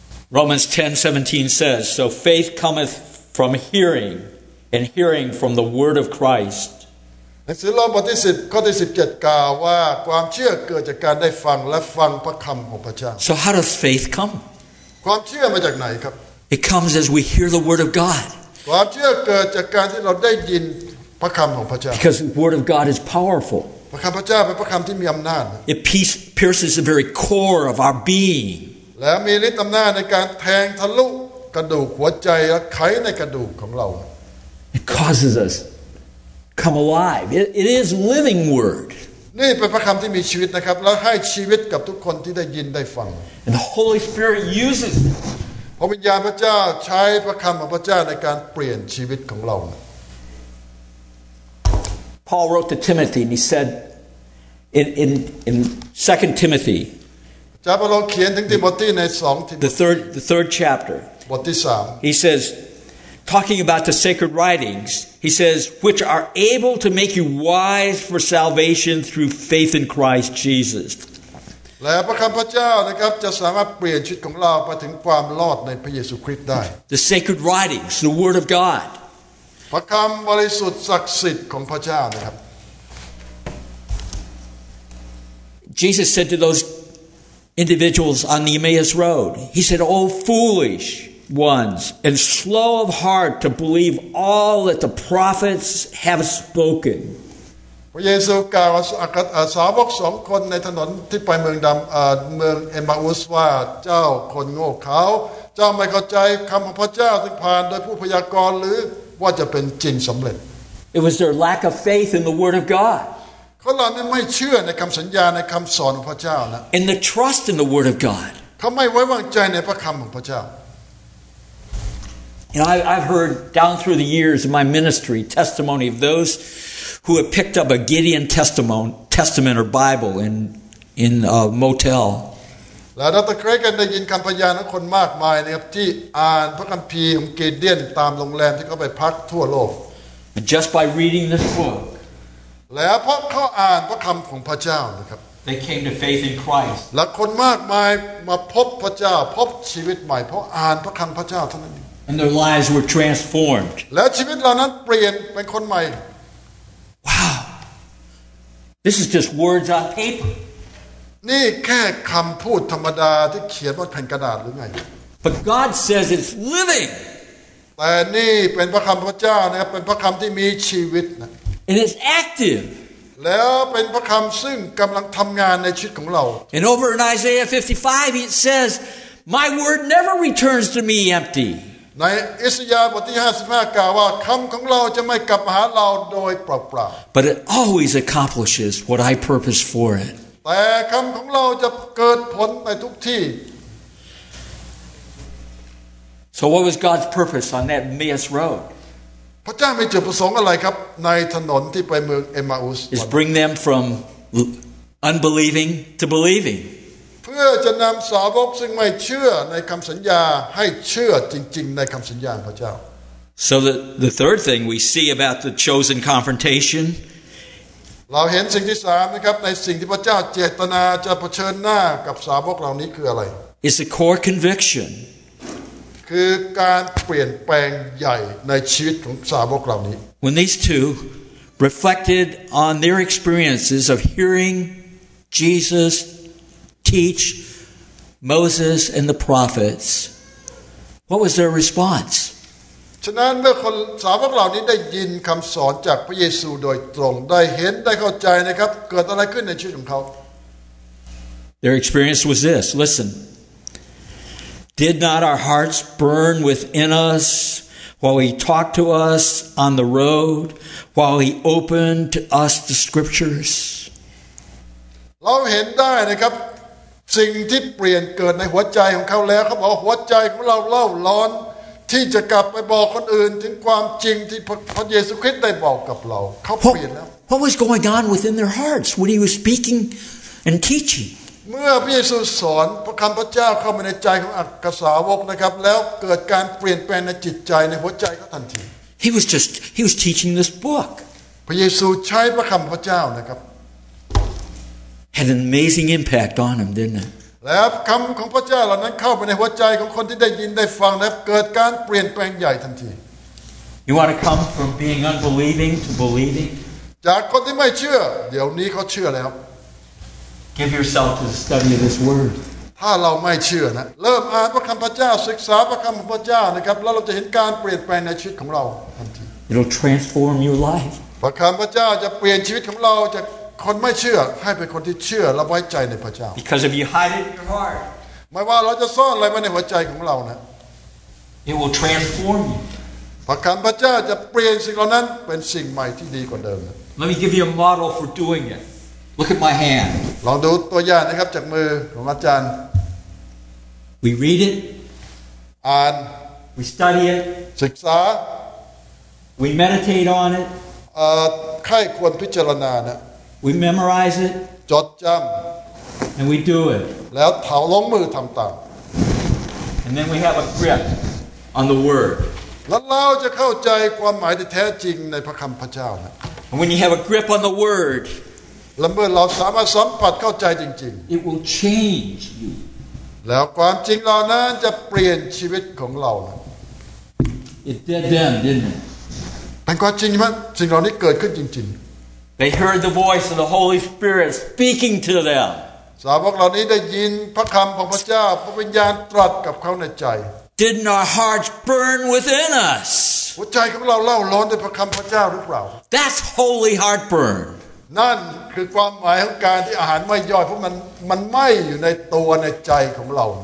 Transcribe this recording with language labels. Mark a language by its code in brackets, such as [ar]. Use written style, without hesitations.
[en] Romans 10:17 says, "So faith cometh from hearing." And hearing from the word of Christ. [th] หนังสือโรมบทที่10ข้อที่17กล่าวว่าความเชื่อเกิดจากการได้ฟังและฟังพระคำของพระเจ้า [en] So how does faith come? [th] ความเชื่อมาจากไหนครับ [en] It comes as we hear the word of God. [th] ความเชื่อเกิดจากการที่เราได้ยินพระคำของพระเจ้า [en] Because the word of God is powerful. [th] พระคำพระเจ้าเป็นพระคำที่มีอำนาจ [en] It pierces the very core of our being. [th] และมีฤทธิ์อำนาจในการแทงทะลุกระดูกหัวใจและไขในกระดูกของเรา [en] It causes us come alive. It is living word. [th] นี่เป็นพระคำที่มีชีวิตนะครับแล้วให้ชีวิตกับทุกคนที่ได้ยินได้ฟัง [en] And the Holy Spirit uses it. [th] พระวิญญาณพระเจ้าใช้พระคำของพระเจ้าในการเปลี่ยนชีวิตของเรา [en] Paul wrote to Timothy and he said in 2 Timothy. [th] จาเปาโลเขียนถึงติโมธีใน2 ทิโมธี [en] The third chapter. [th] บทที่3 [en] He says. Talking about the sacred writings, he says, which are able to make you wise for salvation through faith in Christ Jesus. [th] และพระคำพระเจ้านะครับจะสามารถเปลี่ยนชีวิตของเราไปถึงความรอดในพระเยซูคริสต์ได้ [en] The sacred writings, the word of God. [th] พระคำบริสุทธิ์ศักดิ์สิทธิ์ของพระเจ้านะครับ [en] Jesus said to those individuals on the Emmaus Road, he said, oh foolish. Ones and slow of heart to believe all that the prophets have spoken. [th] พระเยซูกล่าวกับสาวก2คนในถนนที่ไปเมืองดําเมืองเอมาอุสว่าเจ้าคนโง่เขลาเจ้าไม่เข้าใจคําของพระเจ้าที่ผ่านโดยผู้พยากรณ์หรือว่าจะเป็นจริงสําเร็จ [en] It was their lack of faith in the word of God. [th] เขาเหล่านั้นไม่เชื่อในคําสัญญาในคําสอนของพระเจ้านะ [en] And the trust in the word of God. [th] เขาไม่ไว้วางใจในพระคําของพระเจ้า [en] You know, I've heard down through the years of my ministry testimony of those who have picked up a Gideon testament or Bible in a motel. [th] แล้วดร. Craig ได้ยินคำพยานของคนมากมายนะครับที่อ่านพระคัมภีร์ของเกเดียนตามโรงแรมที่เขาไปพักทั่วโลก [en] And just by reading this book, [th] แล้วเพราะเขาอ่านพระคำของพระเจ้านะครับ [en] They came to faith in Christ. [th] และคนมากมายมาพบพระเจ้าพบชีวิตใหม่เพราะอ่านพระคัมภีร์เจ้าเท่านั้น [en] And their lives were transformed. [th] และชีวิตเหล่านั้นเปลี่ยนเป็นคนใหม่ [en] Wow. This is just words on paper. [th] นี่แค่คำพูดธรรมดาที่เขียนบนแผ่นกระดาษหรือไง [en] But God says it's living. [th] แต่นี่เป็นพระคำพระเจ้านะครับเป็นพระคำที่มีชีวิตนะ [en] It is active [th] แล้วเป็นพระคำซึ่งกำลังทำงานในชีวิตของเรา [en] And over in Isaiah 55 it says my word never returns to me empty [th] ในอิสยาห์บทที่55กล่าวว่าคำของเราจะไม่กลับมาหาเราโดยเปล่า [en] ๆ But it always accomplishes what I purpose for it [th] แต่คำของเราจะเกิดผลในทุกที่ [en] So what was God's purpose on that Emmaus road? [th] พระเจ้ามีจุดประสงค์อะไรครับในถนนที่ไปเมืองเอมมาอุส [en] Is bring them from unbelieving to believing. [th] เพื่อจะนำสาวกซึ่งไม่เชื่อในคำสัญญาให้เชื่อจริงๆในคำสัญญาพระเจ้า [en] So the third thing we see about the chosen confrontation. [th] เราเห็นสิ่งที่3นะครับในสิ่งที่พระเจ้าเจตนาจะเผชิญหน้ากับสาวกเหล่านี้คืออะไร [en] Is a core conviction. [th] คือการเปลี่ยนแปลงใหญ่ในชีวิตของสาวกเหล่านี้ [en] When these two reflected on their experiences of hearing Jesus teach Moses and the prophets what was their response [th] ฉะนั้นเมื่อคนสาวกเหล่านี้ได้ยินคำสอนจากพระเยซูโดยตรงได้เห็นได้เข้าใจนะครับเกิดอะไรขึ้นในชีวิตของเขา [en] Their experience was this listenDid not our hearts burn within us while he talked to us on the road, while he opened to us the scriptures? [th] เราเห็นได้นะครับสิ่งที่เปลี่ยนเกิดในหัวใจของเขาแล้วเขาบอกหัวใจของเราเล่าร้อนที่จะกลับไปบอกคนอื่นถึงความจริงที่พระเยซูคริสต์ได้บอกกับเราเขาเปลี่ยนแล้ว [en] What was going on within their hearts when he was speaking and teaching? [th] เมื่อพระเยซูสอนพระคำพระเจ้าเข้ามาในใจของอักขสาวกนะครับแล้วเกิดการเปลี่ยนแปลงในจิตใจในหัวใจเขาทันที [en] He was teaching this book [th] พระเยซูใช้พระคำพระเจ้านะครับ [en] Had an amazing impact on him didn't it [th] แล้วคำของพระเจ้าเหล่านั้นเข้าไปในหัวใจของคนที่ได้ยินได้ฟังแล้วเกิดการเปลี่ยนแปลงใหญ่ทันที [en] You want to come from being unbelieving to believing [th] จากคนที่ไม่เชื่อเดี๋ยวนี้เขาเชื่อแล้ว [en] Give yourself to the study of this word. [th] ถ้าเราไม่เชื่อนะเริ่มอ่านพระคำพระเจ้าศึกษาพระคำพระเจ้านะครับแล้วเราจะเห็นการเปลี่ยนแปลงในชีวิตของเราทันที [en] It'll transform your life. [th] พระคำพระเจ้าจะเปลี่ยนชีวิตของเราจากคนไม่เชื่อให้เป็นคนที่เชื่อและไว้ใจในพระเจ้า [en] Because if you hide it in your heart, [th] ไม่ว่าเราจะซ่อนอะไรไว้ในหัวใจของเรานะ [en] It will transform you. [th] พระคำพระเจ้าจะเปลี่ยนสิ่งเหล่านั้นเป็นสิ่งใหม่ที่ดีกว่าเดิม [en] Let me give you a model for doing it. Look at my hand. [th] ลองดูตัวอย่างนะครับจากมือของอาจารย์ [en] We read it. And we study it. [th] ศึกษา [en] We meditate on it. [th] ใคร่ควรพิจารณานะ [en] We memorize it. [th] จดจำ [en] And we do it. [th] แล้วเผาลงมือทำตาม [en] And then we have a grip on the word. [th] แล้วเราจะเข้าใจความหมายที่แท้จริงในพระคำพระเจ้านะ [en] And when you have a grip on the word, [th] แล้วเมื่อเราสามารถสัมผัสเข้าใจจริง [en] ๆ It will change you [th] แล้วความจริงเหล่านั้นจะเปลี่ยนชีวิตของเรา [en] It did then, didn't it? [th] มันก็จริงมั้ยสิ่งเหล่านี้เกิดขึ้นจริง [en] ๆ They heard the voice of the Holy Spirit speaking to them [th] สาวกเหล่านี้ได้ยินพระคำของพระเจ้าพระวิญญาณตรัสกับเขาในใจ [en] Didn't our hearts burn within us? [th] หัวใจของเราเล่าร้อนด้วยพระคำพระเจ้าหรือเปล่า [en] That's holy heartburn [th] นั่นคือความหมายของการที่อาหารไม่ย่อยเพราะมันไหม้อยู่ในตัวในใจของเรา